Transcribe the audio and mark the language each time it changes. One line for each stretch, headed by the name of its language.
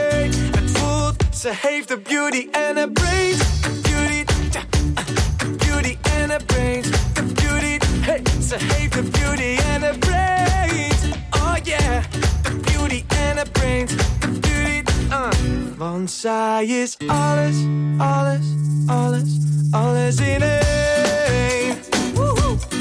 Dutch: Ze heeft
English: a beauty and a brains. Beauty, beauty and a brains. The beauty, hey.
Dutch: Ze heeft
English: a beauty and a brains. Oh yeah. The beauty and a brains. The beauty,
Dutch: Want zij is alles, alles, alles, alles in één.
English: Woehoe.